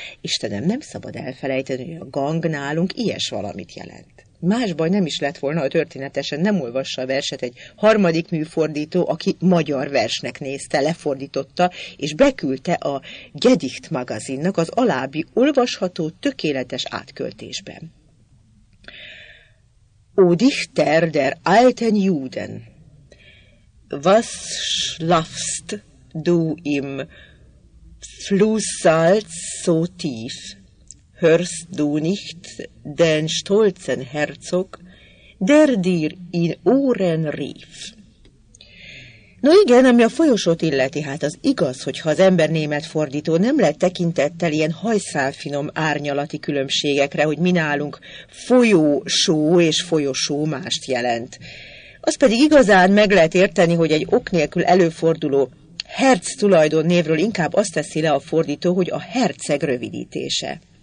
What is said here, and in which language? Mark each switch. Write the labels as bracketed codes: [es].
[hu] Istenem, nem szabad elfelejteni, hogy a Gang nálunk ilyes valamit jelent. Más baj nem is lett volna, ha történetesen nem olvassa a verset egy harmadik műfordító, aki magyar versnek nézte, lefordította, és beküldte a Gedicht magazinnak az alábbi olvasható, tökéletes átköltésben. [de] O Dichter der alten Juden, was schlafst du im Flusssalz so tief? Hörst du nicht den stolzen Herzog, der dir in Ohren rief? [hu] No igen, ami a folyosót illeti, hát az igaz, hogyha az ember német fordító nem lett tekintettel ilyen hajszálfinom árnyalati különbségekre, hogy mi nálunk folyósó és folyosó mást jelent. Az pedig igazán meg lehet érteni, hogy egy ok nélkül előforduló Herz tulajdon névről inkább azt teszi le a fordító, hogy a herceg rövidítése.